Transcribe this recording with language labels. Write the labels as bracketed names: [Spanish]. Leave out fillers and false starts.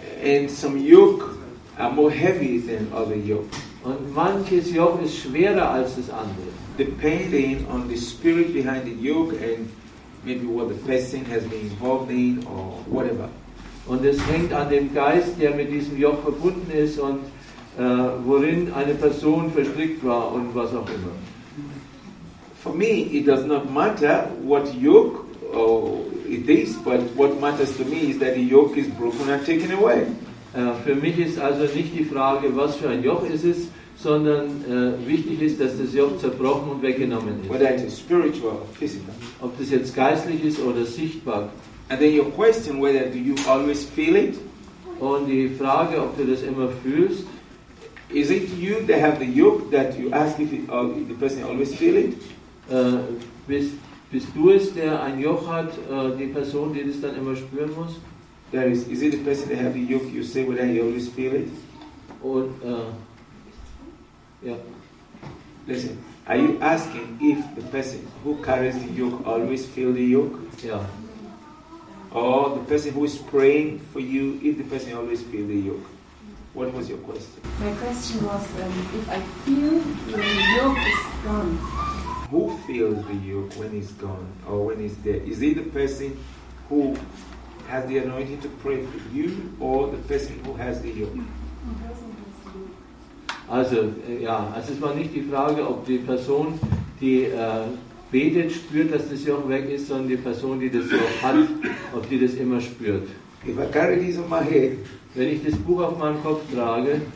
[English] And some yoke are more heavy than other yoke. [German] Und manches Joch ist schwerer als das andere. [English] Depending on the spirit behind the yoke and maybe what the person has been involved in or whatever. [German] Und es hängt an dem Geist, der mit diesem Joch verbunden ist und worin eine Person verstrickt war und was auch immer. [English] For me, it does not matter what yoke it is, but what matters to me is that the yoke is broken and taken away. [German] Für mich ist also nicht die Frage, was für ein Joch es ist, sondern wichtig ist, dass das Joch zerbrochen und weggenommen ist. [English] Whether it is spiritual or physical. [German] Ob das jetzt geistlich ist oder sichtbar. [English] And then your question, whether do you always feel it? [German] Und die Frage, ob du das immer fühlst. [English] Is it you that have the yoke that you ask if, it, or if the person always feel it? [German] Bist du es, der ein Joch hat, die Person, die das dann immer spüren muss? [English] That is it the person that have the yoke, you say whether he always feel it? Or, yeah. Listen, are you asking if the person who carries the yoke always feel the yoke? Yeah. Or the person who is praying for you, if the person always feel the yoke? What was your question? My question was, if I feel the yoke is gone. Who feels the yoke when it's gone or when it's there? Is it the person who has the anointing to pray for you or the person who has the yoke? [German] Also, ja, also es war nicht die Frage, ob die Person, die betet, spürt, dass das Joch weg ist, sondern die Person, die das Joch hat, ob die das immer spürt. [English] If I carry this on my head, [German] wenn ich das Buch auf meinem Kopf trage,